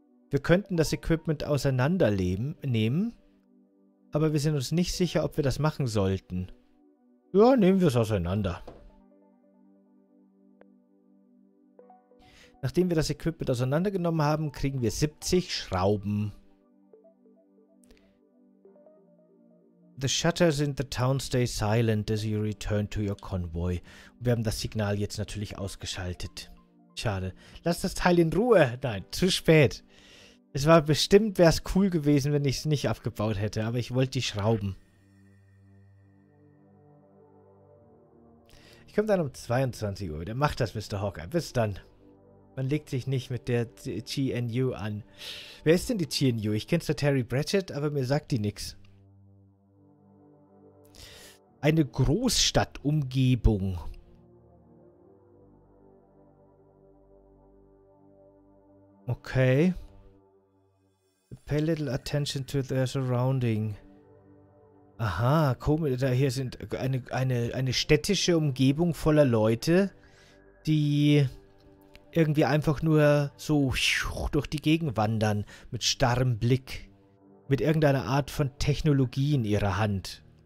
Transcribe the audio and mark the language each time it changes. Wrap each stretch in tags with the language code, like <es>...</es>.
<de>Wir könnten das Equipment auseinandernehmen, aber wir sind uns nicht sicher, ob wir das machen sollten. Ja, nehmen wir es auseinander. Nachdem wir das Equipment auseinandergenommen haben, kriegen wir 70 Schrauben.</de> <en>The shutters in the town stay silent as you return to your convoy.</en> <de>Wir haben das Signal jetzt natürlich ausgeschaltet. Schade. Lass das Teil in Ruhe. Nein, zu spät. Es war bestimmt, wäre es cool gewesen, wenn ich es nicht abgebaut hätte. Aber ich wollte die Schrauben. Ich komme dann um 22 Uhr wieder. Mach das, Mr. Hawkeye. Bis dann. Man legt sich nicht mit der GNU an. Wer ist denn die GNU? Ich kenne zwar Terry Pratchett, aber mir sagt die nichts. Eine Großstadtumgebung. Okay.</de> <en>Pay little attention to their surrounding.</en> <de>Aha, komisch. Da hier sind eine städtische Umgebung voller Leute, die irgendwie einfach nur so durch die Gegend wandern, mit starrem Blick, mit irgendeiner Art von Technologie in ihrer Hand.</de>